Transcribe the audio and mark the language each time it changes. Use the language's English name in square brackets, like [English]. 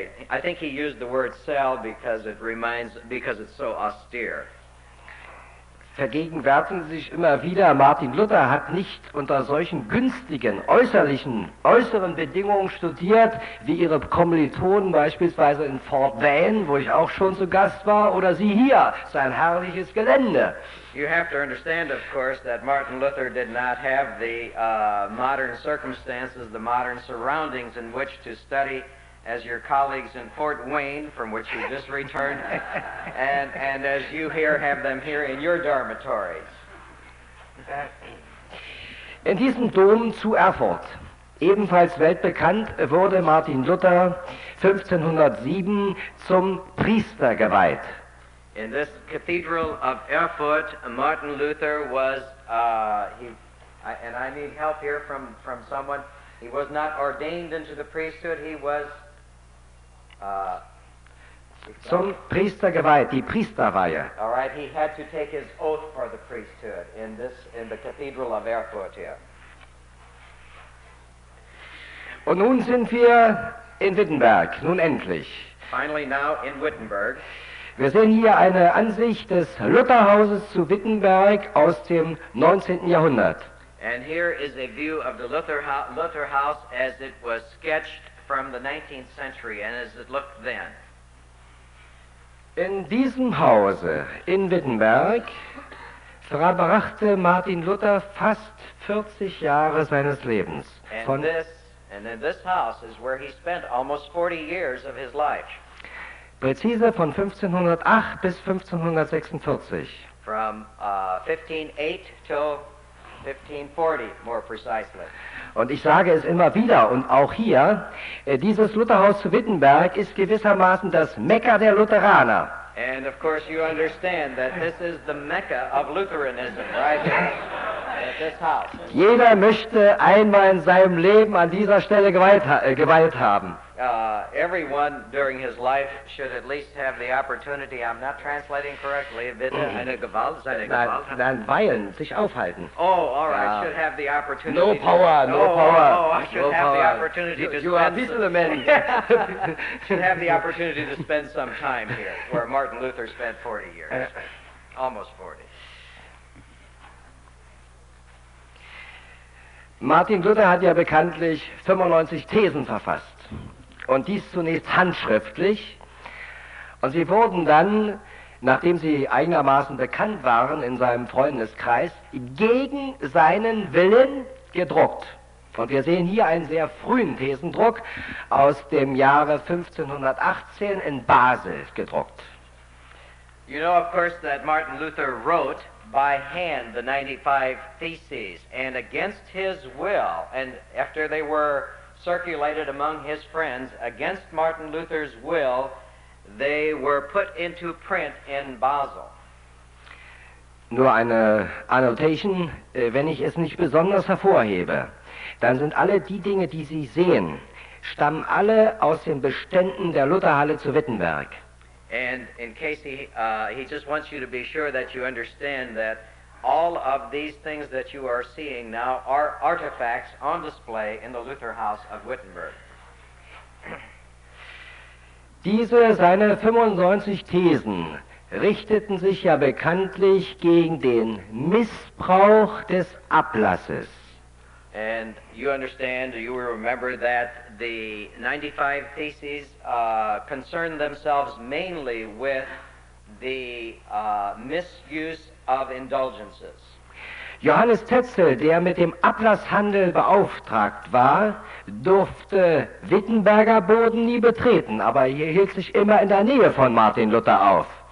[English] I think he used the word cell because it's so austere. [German] Vergegenwärtigen Sie sich immer wieder, Martin Luther hat nicht unter solchen günstigen, äußeren Bedingungen studiert, wie Ihre Kommilitonen beispielsweise in Fort Wayne, wo ich auch schon zu Gast war, oder Sie hier, sein herrliches Gelände. [English] You have to understand, of course, that Martin Luther did not have the modern circumstances, the modern surroundings in which to study as your colleagues in Fort Wayne, from which you just returned, and as you here have them here in your dormitories. [German] In diesem Dom zu Erfurt, ebenfalls weltbekannt, wurde Martin Luther 1507 zum Priester geweiht. [English] In this cathedral of Erfurt, Martin Luther was, he was not ordained into the priesthood, he was [German] zum Priester geweiht, die Priesterweihe. [English] All right, he had to take his oath for the priesthood in the Cathedral of Erfurt here. [German] Und nun sind wir in Wittenberg, nun endlich. [English] Finally now in Wittenberg. [German] Wir sehen hier eine Ansicht des Lutherhauses zu Wittenberg aus dem 19. Jahrhundert. [English] And here is a view of the Luther House as it was sketched from the 19th century and as it looked then. [German] In diesem Hause in Wittenberg verbrachte Martin Luther fast 40 Jahre seines Lebens. [English] And in this house is where he spent almost 40 years of his life. [German] Präzise von 1508 bis 1546. [English] From 1508 till 1540, more precisely. [German] Und ich sage es immer wieder und auch hier, dieses Lutherhaus zu Wittenberg ist gewissermaßen das Mekka der Lutheraner. [English] And of course you understand that this is the Mecca of Lutheranism, right? At this house. [German] Jeder möchte einmal in seinem Leben an dieser Stelle geweiht haben. [English] Everyone during his life should at least have the opportunity, I'm not translating correctly, [German] weihen, sich aufhalten. [English] Oh, all right, should have the opportunity. No power, no power. Oh, I should no have power. The opportunity to you spend are some time. Should have the opportunity to spend some time here, where Martin Luther spent 40 years, almost 40. [German] Martin Luther hat ja bekanntlich 95 Thesen verfasst. Und dies zunächst handschriftlich. Und sie wurden dann, nachdem sie einigermaßen bekannt waren in seinem Freundeskreis, gegen seinen Willen gedruckt. Und wir sehen hier einen sehr frühen Thesendruck aus dem Jahre 1518 in Basel gedruckt. [English] You know, of course, that Martin Luther wrote by hand the 95 theses and against his will, and after they were circulated among his friends against Martin Luther's will, they were put into print in Basel. [German] Nur eine Annotation, wenn ich es nicht besonders hervorhebe, dann sind alle die Dinge, die Sie sehen, stammen alle aus den Beständen der Lutherhalle zu Wittenberg. [English] And in case he just wants you to be sure that you understand that all of these things that you are seeing now are artifacts on display in the Luther House of Wittenberg. [German] Diese seine 95 Thesen richteten sich ja bekanntlich gegen den Missbrauch des Ablasses. [English] And you understand, you will remember that the 95 theses concern themselves mainly with the misuse of indulgences. [German] Johannes Tetzel, der mit dem Ablasshandel beauftragt war, durfte Wittenberger Boden nie betreten, aber er hielt sich immer in der Nähe von Martin Luther auf.